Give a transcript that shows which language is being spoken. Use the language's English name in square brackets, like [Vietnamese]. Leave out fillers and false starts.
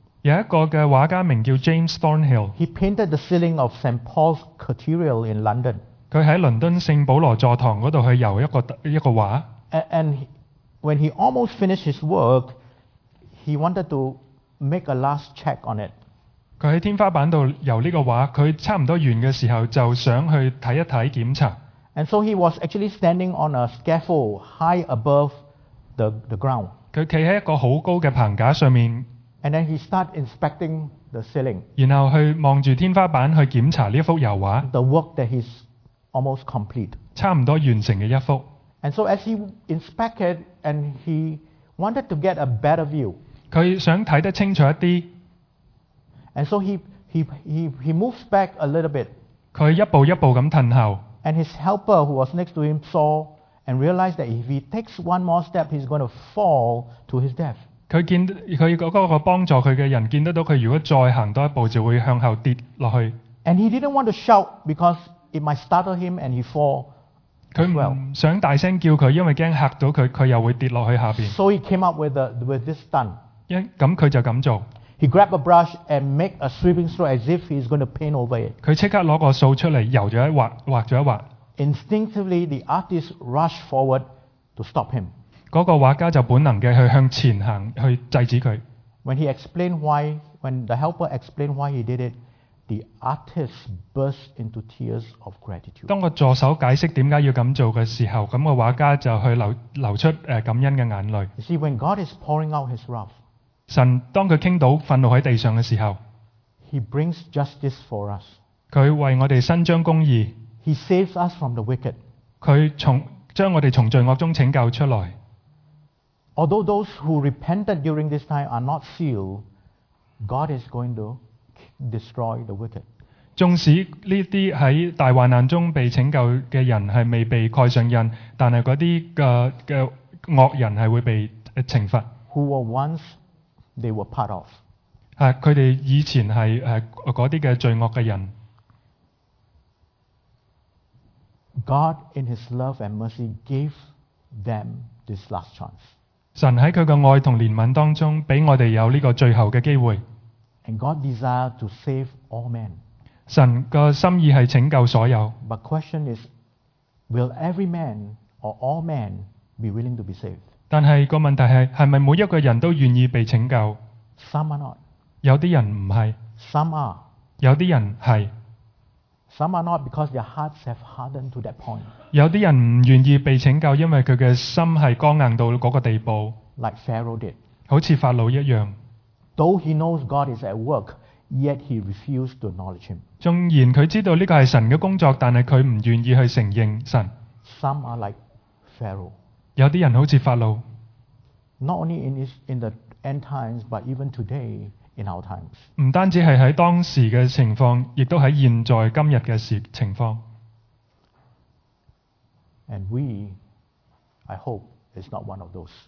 [Cantonese] 有一个嘅画家名叫 James Thornhill。 [English] He painted the ceiling of St. Paul's Cathedral in London。 [Cantonese] 佢喺伦敦圣保罗座堂嗰度去油一个画。 [English] And when he almost finished his work, he wanted to make a last check on it。 [Cantonese] 佢喺天花板度油呢个画，佢差唔多完嘅时候就想去睇一睇检查。 [English] And so he was actually standing on a scaffold high above the ground。 [Cantonese] 佢企喺一个好高嘅棚架上面。 [English] And then he started inspecting the ceiling. [Cantonese] 然后去望住天花板去检查呢幅油画。 [English] The work that he's almost complete. [Cantonese] 差唔多完成嘅一幅。 [English] And so as he inspected and he wanted to get a better view. [Cantonese] 佢想睇得清楚一啲。 [English] And so he moves back a little bit. [Cantonese] 佢一步一步咁褪后。 [English] And his helper who was next to him saw and realized that if he takes one more step, he's going to fall to his death. [Cantonese] 佢嗰个帮助佢嘅人见得到佢，如果再行多一步就会向后跌落去。 [English] And he didn't want to shout because it might startle him and he fall. [Cantonese] 佢唔想大声叫佢，因为惊吓到佢，佢又会跌落去下边。 [English] So he came up with this stunt. [Cantonese] 咁佢就咁做。 [English] He grabbed a brush and make a sweeping stroke as if he's going to paint over it. [Cantonese] 佢即刻攞个扫出嚟，油咗一画，画咗一画。 [English] Instinctively, the artist rushed forward to stop him. [Cantonese] 那个画家就本能地去向前行去制止他。 [English] When the helper explained why he did it, the artist burst into tears of gratitude. [Cantonese] 当个助手解释点解要咁做嘅时候，咁个画家就去流出感恩嘅眼泪。 [English] You see, when God is pouring out his wrath, [Cantonese] 神当佢倾倒愤怒喺地上嘅时候， [English] he brings justice for us. [Cantonese] 佢为我哋伸张公义。 [English] He saves us from the wicked. [Cantonese] 佢将我哋从罪恶中拯救出来。 [English] Although those who repented during this time are not sealed, God is going to destroy the wicked. [Cantonese] 纵使呢啲喺大患难中被拯救嘅人系未被盖上印，但系嗰啲嘅恶人系会被惩罚。 [English] Who were once they were part of？ [Cantonese] 啊，佢哋以前系嗰啲嘅罪恶嘅人。 [English] God in His love and mercy gave them this last chance。 [Cantonese] 神喺佢嘅爱同怜悯当中，俾我哋有呢个最后嘅机会。 [English] And God desires to save all men。 [Cantonese] 神嘅心意系拯救所有。 [English] But question is, will every man or all men be willing to be saved？ [Cantonese] 但系个问题系，系咪每一个人都愿意被拯救 [English] ？Some are not。 [Cantonese] 有啲人唔系。 [English] Some are。 [Cantonese] 有啲人系。 [English] Some are not because their hearts have hardened to that point。 [Cantonese] 有啲人唔愿意被拯救，因为佢嘅心系刚硬到嗰个地步。 [English] Like Pharaoh did。 [Cantonese] 好似法老一样。 [English] Though he knows God is at work。 Yet he refused to acknowledge him. [Cantonese] 纵然佢知道呢个系神嘅工作，但系佢唔愿意去承认神。 [English] Some are like Pharaoh. [Cantonese] 有啲人好似法老。 [English] Not only in the end times, but even today in our times. [Cantonese] 唔单止系喺当时嘅情况，亦都喺现在今日嘅情况。 [English] And we, I hope, is not one of those.